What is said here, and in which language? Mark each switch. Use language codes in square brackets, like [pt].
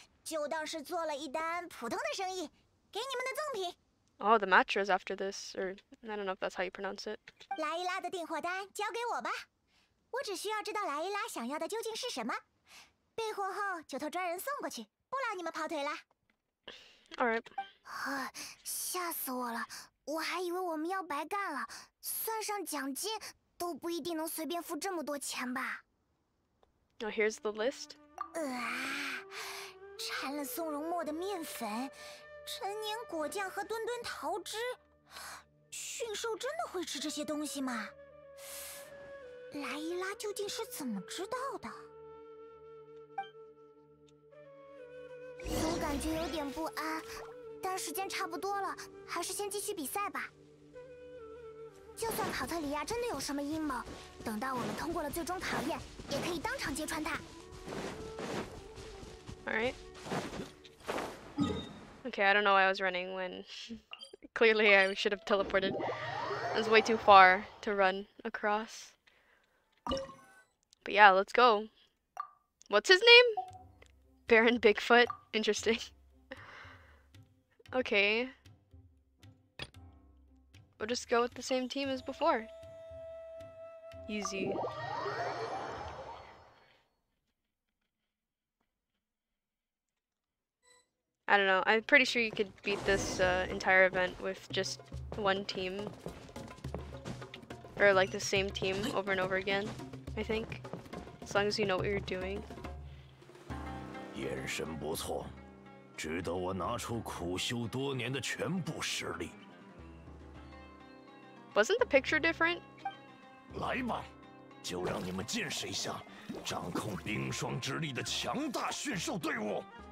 [zh] 太狡猾了吧！哎嘿嘿，开玩笑的，这种东西除了你们和风纪官，也没人会关心了吧？就当是做了一单普通的生意。 [en] Oh, the mattress after this, or I don't know if that's how you pronounce it. [zh] 莱伊拉的订货单交给我吧，我只需要知道莱伊拉想要的究竟是什么。备货后就托专人送过去，不劳你们跑腿了。 [en] All right. [zh] 吓死我了，我还以为我们要白干了，算上奖金都不一定能随便付这么多钱吧。 [en] Oh, here's the list. [zh] 啊，掺了松茸末的面粉。陈年果酱和吨吨桃汁，驯兽真的会吃这些东西吗？莱伊拉究竟是怎么知道的感觉有点不安，但时间差不多了，还是先继续比赛吧。就算跑特里亚真的有什么阴谋，等到我们通过了最终考验，也可以当场揭穿他。 [en] Alright. Okay, I don't know why I was running when clearly I should have teleported. I was way too far to run across. But yeah, let's go. What's his name? Baron Bigfoot? Interesting. Okay. We'll just go with the same team as before. Easy. I don't know, I'm pretty sure you could beat this entire event with just one team. Or like the same team over and over again, I think. As long as you know what you're doing. [zh] 眼神不错，值得我拿出苦修多年的全部实力。 [en] Wasn't the picture different? [zh] 来吧，就让你们见识一下掌控冰霜之力的强大驯兽队伍。